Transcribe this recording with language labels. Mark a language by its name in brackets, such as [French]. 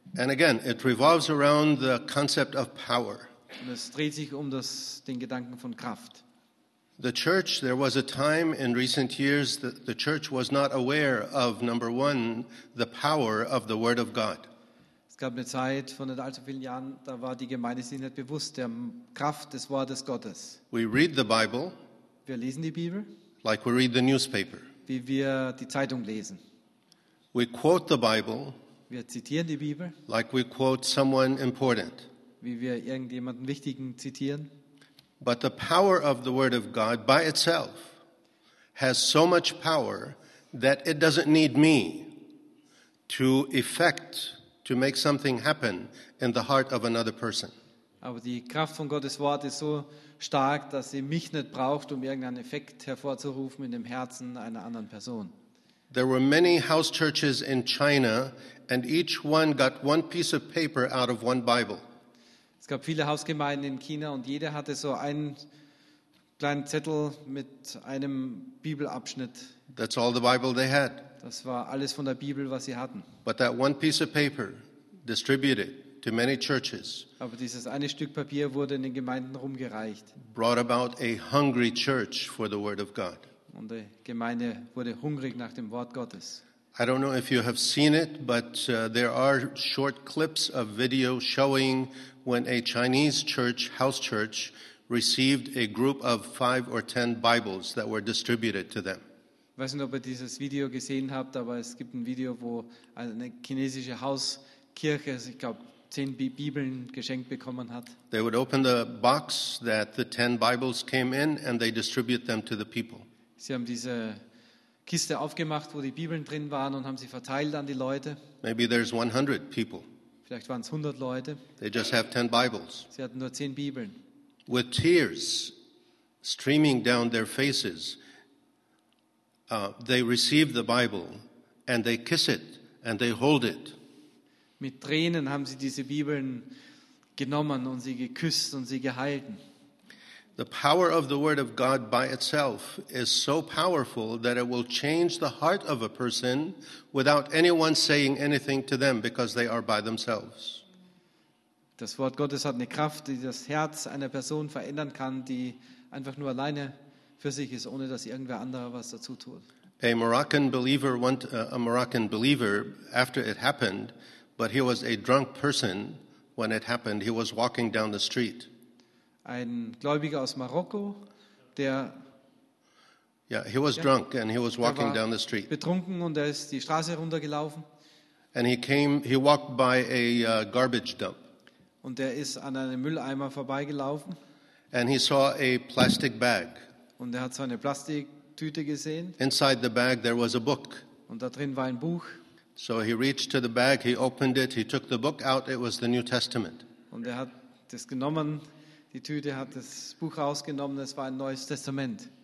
[English] And again, it revolves around the concept of power. [German] Es dreht sich um den Gedanken von Kraft. [English] The church, there was a time in recent years that the church was not aware of, number one, the power of the Word of God. [German] gab eine Zeit von nicht allzu vielen Jahren, da war die Gemeinde sich nicht bewusst der Kraft des Wortes Gottes. [English] We read the Bible. [German] Wir lesen die Bibel. [English] Like we read the newspaper. [German] Wie wir die Zeitung lesen. [English] We quote the Bible. [German] Wir zitieren die Bibel. [English] Like we quote someone important. [German] Wie wir irgendjemanden wichtigen zitieren. [English] But the power of the Word of God by itself has so much power that it doesn't need me to effect, to make something happen in the heart of another person. [German] Aber die Kraft von Gottes Wort ist so stark, dass sie mich nicht braucht, um irgendeinen Effekt hervorzurufen in dem Herzen einer anderen Person. [English] There were many house churches in China, and each one got one piece of paper out of one Bible. [German] Es gab viele Hausgemeinden in China und jede hatte so einen kleinen Zettel mit einem Bibelabschnitt. [English] That's all the Bible they had. [German] Das war alles von der Bibel, was sie hatten. [English] But that one piece of paper distributed to many churches. [German] Aber dieses eine Stück Papier wurde in den Gemeinden rumgereicht. [English] Brought about a hungry church for the Word of God. [German] Und die Gemeinde wurde hungrig nach dem Wort Gottes. [English] I don't know if you have seen it, but there are short clips of video showing when a Chinese church, house church, received a group of 5 or 10 Bibles that were distributed to them. [German] Ich weiß nicht, ob ihr dieses Video gesehen habt, aber es gibt ein Video, wo eine chinesische Hauskirche, ich glaube, 10 Bibeln geschenkt bekommen hat. [English] They would open the box that the 10 Bibles came in and they distribute them to the people. [German] Sie haben diese Kiste aufgemacht, wo die Bibeln drin waren und haben sie verteilt an die Leute. [English] Maybe there's 100 people. [German] Vielleicht waren es 100 Leute. [English] They just have 10 Bibles. [German] Sie hatten nur 10 Bibeln. [English] With tears streaming down their faces, they receive the Bible and they kiss it and they hold it. [German] Mit Tränen haben sie diese Bibeln genommen und sie geküsst und sie gehalten. [English] The power of the Word of God by itself is so powerful that it will change the heart of a person without anyone saying anything to them because they are by themselves. [German] Das Wort Gottes hat eine Kraft, die das Herz einer Person verändern kann, die einfach nur alleine für sich ist, ohne dass irgendwer anderer was dazu tut. [English] A Moroccan believer, after it happened, but he was a drunk person when it happened, he was walking down the street. [German] Ein Gläubiger aus Marokko, der [English] drunk and he was walking down the street. [German] Betrunken und er ist die Straße runtergelaufen. [English] And he walked by a garbage dump. [German] Und er ist an einem Mülleimer vorbeigelaufen. [English] And he saw a plastic bag. [German] Und er hat so eine Plastiktüte gesehen. [English] Inside the bag there was a book. [German] Und da drin war ein Buch. [English] So he reached to the bag, he opened it, he took the book out, it was the New Testament. [German] Und er hat das genommen. Die Tüte hat das Buch rausgenommen, es war ein Neues Testament.